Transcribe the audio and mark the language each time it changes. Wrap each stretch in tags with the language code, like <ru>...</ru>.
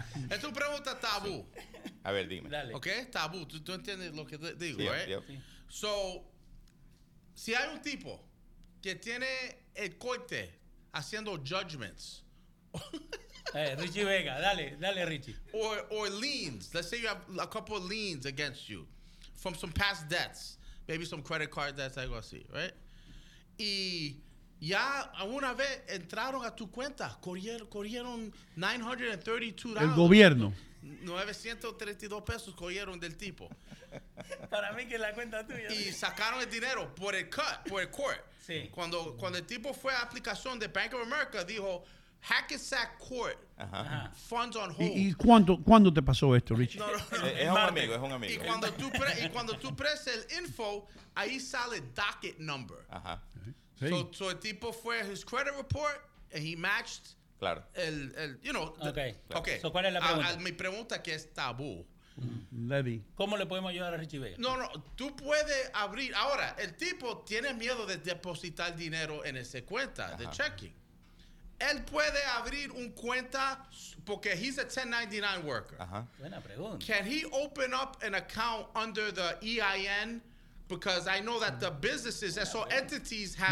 <es>Es una pregunta tabú. A ver, dime. Dale. ¿Ok? Tabú. ¿Tú entiendes lo que digo, sí, ¿eh? Yo. So, si hay un tipo que tiene el corte haciendo judgments... Richie Vega, dale Richie.</es> <en>Or liens. Let's say you have a couple of liens against you from some past debts. Maybe some credit card debts,</en> <es>algo así,</es> <en>right?</en> <es>Y ya una vez entraron a tu cuenta, corrieron $932. El gobierno. $932 corrieron del tipo. Para mí que es la cuenta tuya. Y sacaron el dinero por el cut, por el court. Sí. Cuando el tipo fue a aplicación de Bank of America, dijo...</es> <en>Hackensack Court,</en> <es>ajá.</es> <en>Funds on hold.</en> <es>¿Y cuándo te pasó esto, Richie? No. Es un amigo. Y cuando tú presas el info, ahí sale docket number. Ajá.</es> <en>Sí. So</en> <es>el tipo fue a</es> <en>his credit report and he matched.</en> <es>Claro.</es> <en>El you know. Okay.</en> <es>Claro. Okay. So, ¿cuál es la pregunta? Mi pregunta que es tabú.</es> <en>Levy.</en> <es>¿Cómo le podemos ayudar a Richie Vega? No, tú puedes abrir. Ahora, el tipo tiene miedo de depositar dinero en esa cuenta, ajá, de checking. Él puede abrir un cuenta porque</es> <en>he's a 1099 worker.</en> <es>Ajá. Buena pregunta.</es> <en>Can he open up an account under the EIN? Because I know that the businesses, so entities have...</en>